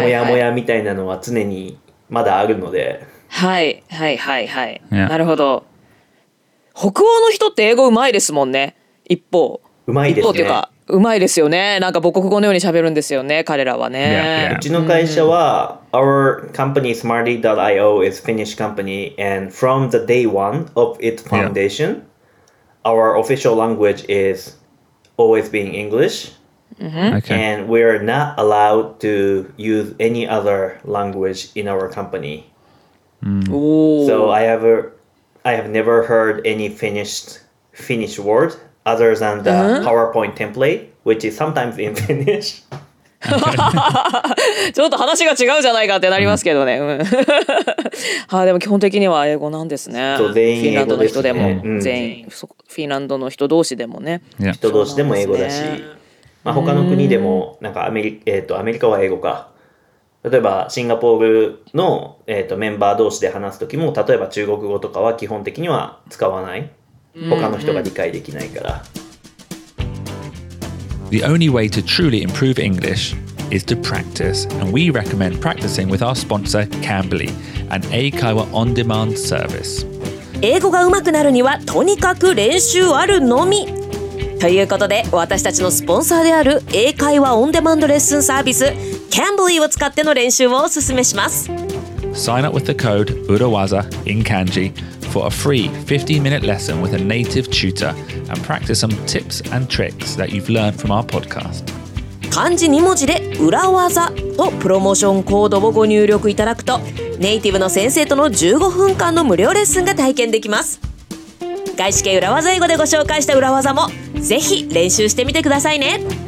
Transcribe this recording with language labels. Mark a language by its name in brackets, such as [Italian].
[Japanese] もやもやみたいなのは常にまだあるので、はいはいはいはい、yeah. なるほど。北欧の人って英語うまいですもんね。一方うまいですね、一方というかうまいですよね。なんか母国語のように喋るんですよね彼らはね、yeah. Yeah. うちの会社は、mm. [English] Our company Smarty.io is Finnish company and from the day one of its foundation、yeah. our official language is always being English、 mm-hmm. okay. and we're not allowed to use any other language in our company Mm. So I have never heard any Finnish word other than the、uh-huh. PowerPoint template, which is sometimes in Finnish. [Japanese] ちょっと話が違うじゃないかってなりますけどね。はあ、でも基本的には英語なんですね。そう、全員英語ですね。フィンランドの人でも、全員、うん、フィンランドの人同士でもね。 [English] Yeah. [Japanese] 人同士でも英語だし、まあ、他の国でもなんかアメリカは英語か。例えばシンガポールの、メンバー同士で話すときも、例えば中国語とかは基本的には使わない。他の人が理解できないから。 [English] The only way to truly improve English is to practice, and we recommend practicing with our sponsor Cambly, an 英会話 on demand service. [Japanese] 英語が上手くなるにはとにかく練習あるのみ。ということで、私たちのスポンサーである英会話オンデマンドレッスンサービス Cambly を使っての練習をおすすめします。 [English] Sign up with the code Urawaza in Kanji for a free 15-minute lesson with a native tutor and practice some tips and tricks that you've learned from our podcast. [Japanese] 漢字2文字で Urawaza とプロモーションコードをご入力いただくと、ネイティブの先生との15分間の無料レッスンが体験できます。外資系裏技英語でご紹介した裏技もぜひ練習してみてくださいね。